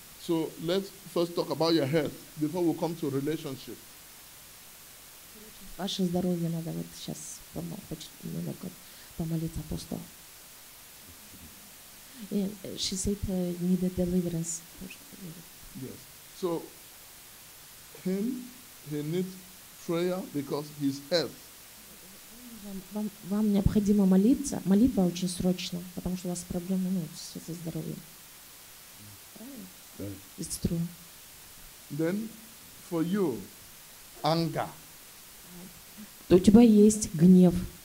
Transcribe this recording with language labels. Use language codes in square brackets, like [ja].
[en] So let's first talk about your health before we come to relationship. [ru] Ваше здоровье надо вот сейчас немного помолиться апостолу. [en] She said need a deliverance. Yes. So him, he needs prayer because his health. [ru] Вам необходимо молиться. Молитва очень срочно, потому что у вас проблемы со здоровьем. [en] It's true. Then for you, anger. [ru] То у тебя есть гнев.